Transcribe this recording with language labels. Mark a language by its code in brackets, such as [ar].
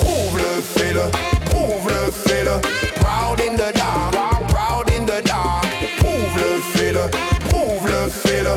[fr] Prouve le fil, prouve le fil. [en] Proud in the dark, proud in the dark. [fr] Prouve le fil, prouve le fil.